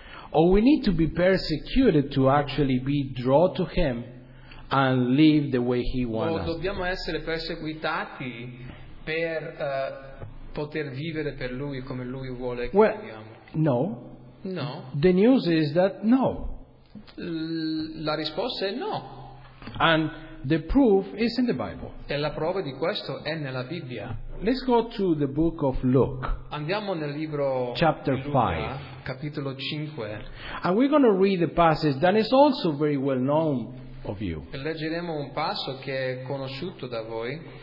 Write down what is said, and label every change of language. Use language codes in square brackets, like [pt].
[en] Or we need to be persecuted to actually be drawn to Him and live the way He wants. [it] O dobbiamo essere perseguitati per poter vivere per Lui come Lui vuole che viviamo. [en] No. [it] No. [en] The news is that no. [it] La risposta è no. [en] And the proof is in the Bible. [it] E la prova di questo è nella Bibbia. [en] Let's go to the book of Luke. [it] Andiamo nel libro [en] chapter [it] di Luca, [en] 5. [it] Capitolo 5. [en] And we're going to read the passage that is also very well known of you. [it] E leggeremo un passo che è conosciuto da voi.